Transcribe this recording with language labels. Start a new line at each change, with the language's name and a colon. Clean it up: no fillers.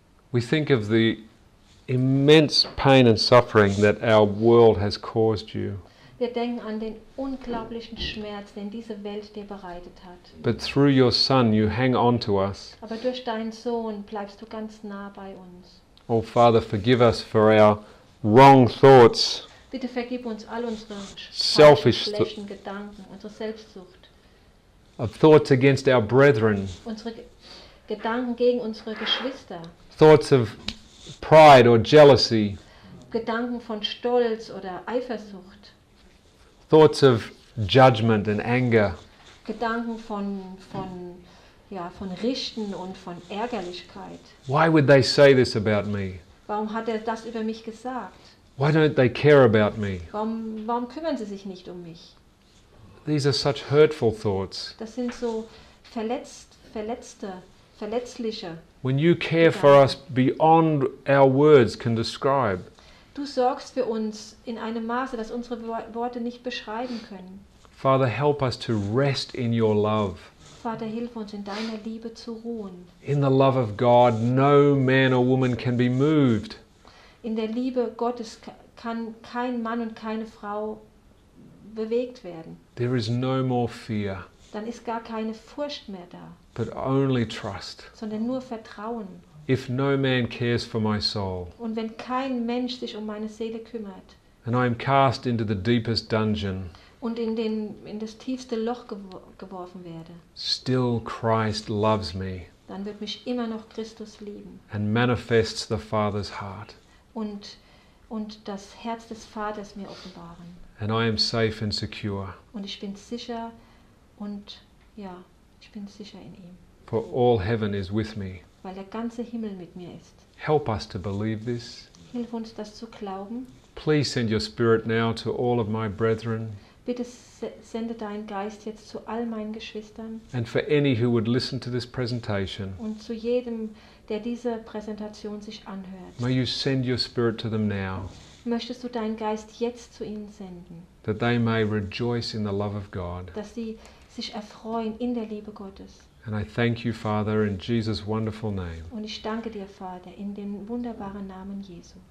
English: We think of the immense pain and suffering that our world has caused you.
German: Wir denken an den unglaublichen Schmerz, den diese Welt dir bereitet hat.
English: But through your Son you hang on to us.
German: Aber durch deinen Sohn bleibst du ganz nah bei uns.
English: Oh Father, forgive us for our wrong thoughts.
German: Bitte vergib uns all unsere
English: selfish
German: Gedanken, unsere Selbstsucht.
English: Of thoughts against our brethren.
German: Unsere Gedanken gegen unsere Geschwister.
English: Thoughts of pride or jealousy.
German: Gedanken von Stolz oder Eifersucht.
English: Thoughts of judgment and anger.
German: Gedanken von Richten und von Ärgerlichkeit.
English: Why would they say this about me?
German: Warum hat er das über mich gesagt?
English: Why don't they care about me?
German: Warum kümmern sie sich nicht um mich?
English: These are such hurtful thoughts.
German: Das sind so verletzliche.
English: When you care for us beyond our words can describe.
German: Du sorgst für uns in einem Maße, das unsere Worte nicht beschreiben können.
English: Father, help us to rest in your love.
German: Vater, hilf uns in deiner Liebe zu ruhen.
English: In the love of God, no man or woman can be moved.
German: In der Liebe Gottes kann kein Mann und keine Frau bewegt werden.
English: There is no more fear.
German: Dann ist gar keine Furcht mehr da.
English: But only trust.
German: Sondern nur Vertrauen.
English: If no man cares for my soul.
German: Und wenn kein Mensch sich um meine Seele kümmert.
English: And I am cast into the deepest dungeon.
German: Und in das tiefste Loch geworfen werde.
English: Still Christ loves me.
German: Dann wird mich immer noch Christus lieben.
English: And manifests the Father's heart.
German: Und das Herz des Vaters mir offenbaren.
English: And I am safe and secure.
German: Und ich bin sicher. Und ja, ich bin sicher in ihm.
English: For all heaven is with me.
German: Weil der ganze Himmel mit mir ist.
English: Help us to believe this.
German: Hilf uns, das zu glauben.
English: Please send your spirit now to all of my brethren.
German: Bitte sende deinen Geist jetzt zu all meinen Geschwistern.
English: And for any who would listen to this presentation.
German: Und zu jedem, der diese Präsentation sich anhört.
English: May you send your spirit to them now.
German: Möchtest du deinen Geist jetzt zu ihnen senden?
English: That they may rejoice in the love of God.
German: Dass sie sich erfreuen in der Liebe Gottes.
English: And I thank you, Father, in Jesus' wonderful name.
German: Und ich danke dir, Vater, in dem wunderbaren Namen Jesu.